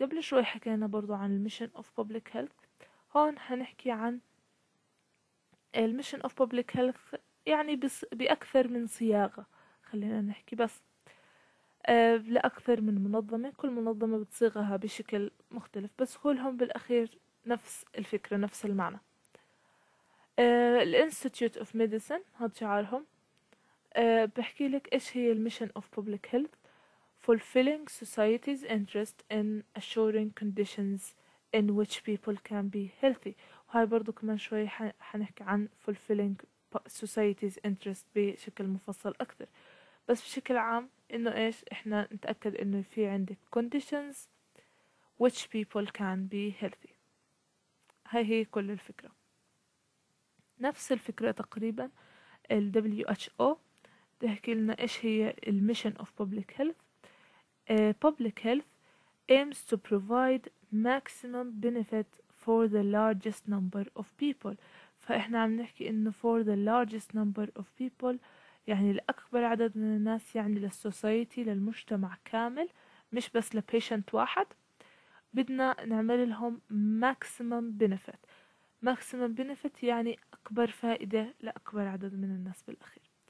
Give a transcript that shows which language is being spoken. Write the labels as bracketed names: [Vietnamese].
[Arabic] قبل شوي حكينا برضو عن mission of public health، هون حنحكي عن mission of public health يعني بأكثر من صياغة، خلينا نحكي بس لأكثر من منظمة، كل منظمة بتصيغها بشكل مختلف، بس كلهم بالأخير نفس الفكرة نفس المعنى. الانستيتيوت اوف ميديسن هاد شعارهم. بحكي لك ايش هي [English] mission of public health: fulfilling society's interest in assuring conditions in which people can be healthy. [Arabic] وهاي برضو كمان شوي حنحكي عن fulfilling society's interest بشكل مفصل أكثر، بس بشكل عام إنه إيش، إحنا نتأكد إنه في عندك [English] conditions which people can be healthy. [Arabic] هاي هي كل الفكرة. نفس الفكرة تقريبا ال WHO تحكي لنا إيش هي ال mission of public health. [English] Public health aims to provide maximum benefit for the largest number of people. [Arabic] فإحنا عم نحكي إنه [English] for the largest number of people [Arabic] يعني لأكبر عدد من الناس، يعني للسوسايتي، للمجتمع كامل، مش بس لبيشنت واحد. بدنا نعمل لهم maximum benefit. maximum benefit يعني أكبر فائدة لأكبر عدد من الناس بالأخير.